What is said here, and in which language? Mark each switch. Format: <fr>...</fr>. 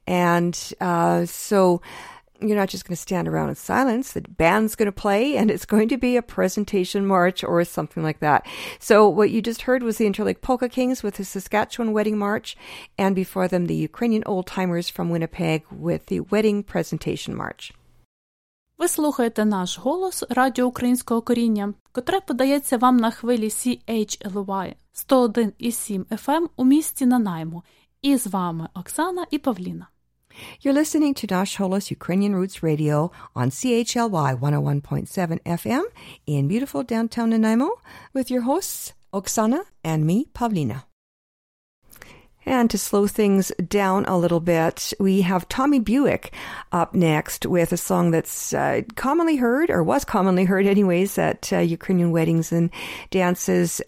<en>And so you're not just going to stand around in silence. The band's going to play and it's going to be a presentation march or something like that. So what you just heard was the Interlake Polka Kings with the Saskatchewan Wedding March, and before them the Ukrainian Old Timers from Winnipeg with the Wedding Presentation March.</en> <uk>Ви слухаєте наш голос Радіо Українського коріння, котре подається вам на хвилі CHLY 101.7 FM у місті Нанаймо. І з вами Оксана і Павліна.</uk> <en>You're listening to Dash Holos Ukrainian Roots Radio on CHLY 101.7 FM in beautiful downtown Nanaimo with your hosts Oksana and me, Pavlina. And to slow things down a little bit, we have Tommy Buick up next with a song that's commonly heard, or was commonly heard anyways, at Ukrainian weddings and dances.</en>